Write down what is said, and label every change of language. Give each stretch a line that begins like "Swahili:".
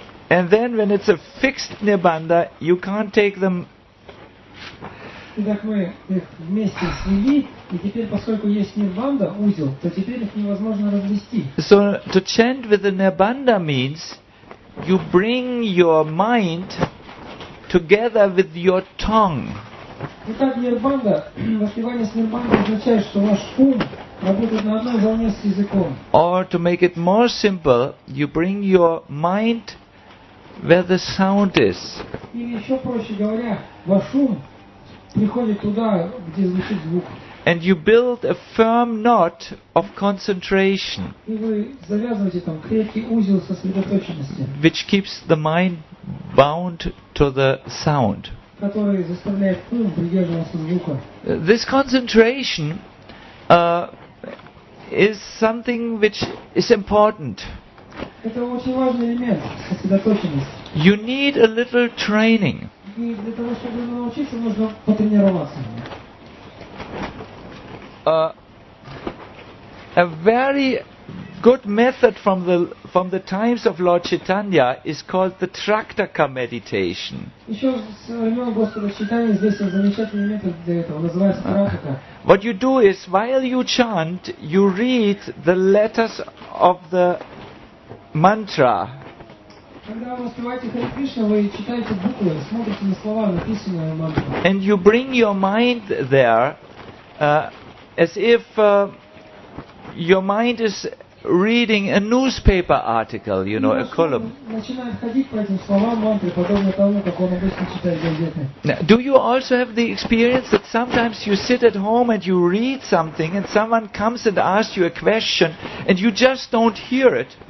English: And then when it's a fixed nirbandha, you can't take them.
Russian: Итак, мы их вместе свели, и теперь, поскольку есть нирбанда, узел, то теперь их невозможно развести.
English: So to chant with the nirbanda means you bring your mind together with your tongue.
Russian: Итак, нирбанда, воспевание с нирбандой означает, что ваш ум работает на одной волне с языком.
English: Or to make it more simple, you bring your mind where the sound is.
Russian: Или еще проще говоря, ваш ум приходит туда, где звучит звук.
English: And you build a firm knot of concentration.
Russian: И вы завязываете там крепкий узел сосредоточенности.
English: Which keeps the mind bound to the sound.
Russian: Который заставляет ум придерживаться звука.
English: This concentration is something which is important.
Russian: Это очень важный элемент сосредоточенности.
English: You need a little training.
Russian: И для того, чтобы научиться, нужно потренироваться.
English: A very good method from the times of Lord Chaitanya is called the Traktaka meditation.
Russian: Еще с времен Господа Чайтаньи здесь замечательный метод для этого, называется Трактака.
English: What you do is, while you chant, you read the letters of the mantra.
Russian: Когда вы воспеваете Харе Кришна, вы читаете буквы, смотрите на слова, написанные на мантре.
English: And you bring your mind there, as if your mind is reading a newspaper article, you know, a column. Now, do you also have the experience that sometimes you sit at home and you read something and someone comes and asks you a question and you just don't hear it?